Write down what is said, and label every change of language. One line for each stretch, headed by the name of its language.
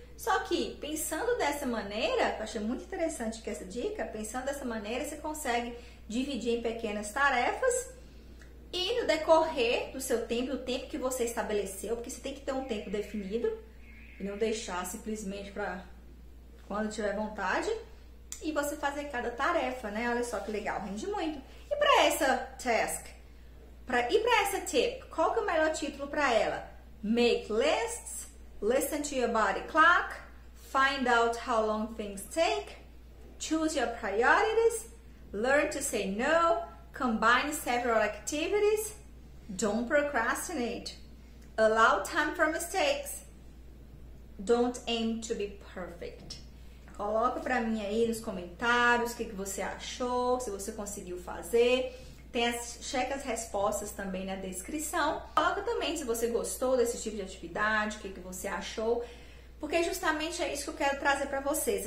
Portuguese: Só que pensando dessa maneira, eu achei muito interessante que essa dica, pensando dessa maneira, você consegue dividir em pequenas tarefas e no decorrer do seu tempo, o tempo que você estabeleceu, porque você tem que ter um tempo definido e não deixar simplesmente para quando tiver vontade. E você fazer cada tarefa, né? Olha só que legal, rende muito. E para essa task? E para essa tip, qual que é o melhor título para ela?
English: Make lists, listen to your body clock, find out how long things take, choose your priorities, learn to say no, combine several activities, don't procrastinate, allow time for mistakes, don't aim to be perfect.
Portuguese: Coloca para mim aí nos comentários o que que você achou, se você conseguiu fazer. Tem as checa as respostas também na descrição. Coloca também se você gostou desse tipo de atividade, o que que você achou, porque justamente é isso que eu quero trazer para vocês.